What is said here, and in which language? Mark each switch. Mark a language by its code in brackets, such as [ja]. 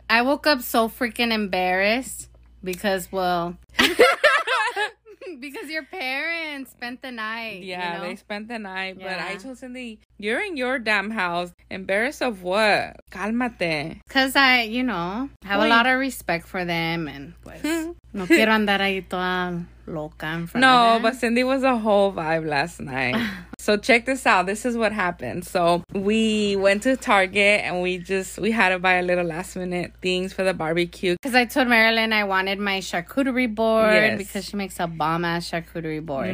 [en] I woke up so freaking embarrassed because your parents spent the night. Yeah, you know? They spent the night. But yeah. I told Cindy, you're in your damn house. Embarrassed of what? [es] Calmate. [en] Because I, you know, have a lot of respect for them. And [es] pues, no quiero andar ahí toda loca en [en] front of them. No, but Cindy was a whole vibe last night. So check this out. This is what happened. So we went to Target and we had to buy a little last minute things for the barbecue. Because I told Marilyn I wanted my charcuterie board. Yes. Because she makes a bomb ass charcuterie board.